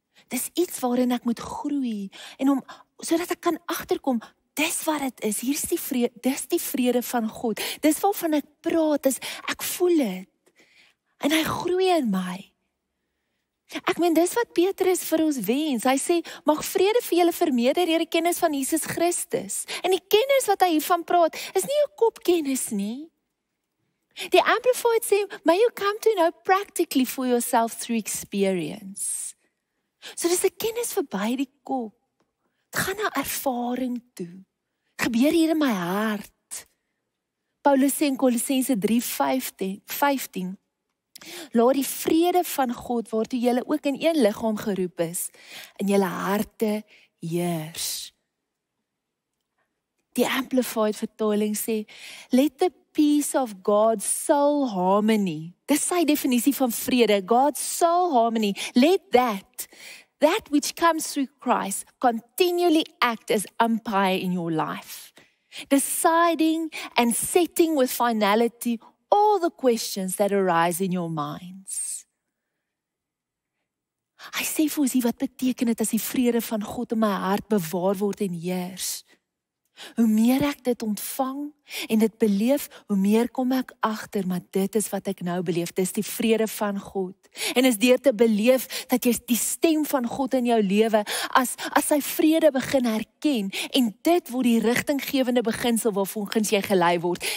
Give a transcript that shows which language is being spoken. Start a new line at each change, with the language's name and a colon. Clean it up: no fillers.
Afrikaans: Dis iets waarin ek moet groei, en om, so dat ek kan agterkom, dis wat het is, hier is die vrede, dis die vrede van God, dis waarvan ek praat, is ek voel het, en hy groei in my. Ek meen, dis wat Petrus vir ons wens. Hy sê, mag vrede vir julle vermeerder deur die kennis van Jesus Christus. En die kennis wat hy hiervan praat, is nie 'n kopkennis nie. Die Amplified sê,
English: may you come to know practically for yourself through experience.
Afrikaans: So dis 'n kennis verby die kop. Dit gaan na ervaring toe. Gebeur hier in my hart. Paulus sê in Kolossense 3:15, laat die vrede van God, waartoe julle ook in een liggaam geroep is, in julle harte heers. Die Amplified vertaling sê,
English: let the peace of God's soul harmony,
Afrikaans: dis sy definisie van vrede,
English: God's soul harmony, let that which comes through Christ, continually act as umpire in your life, deciding and setting with finality all the questions that arise in your minds.
Afrikaans: Hy sê vir ons, wat beteken dit as die vrede van God in my hart bewaar word en heers? Hoe meer ek dit ontvang en dit beleef, hoe meer kom ek agter, maar dit is wat ek nou beleef, dis die vrede van God. En is deur te beleef dat jy die stem van God in jou lewe as sy vrede begin herken, en dit word die rigtinggewende beginsel waarvolgens jy gelei word.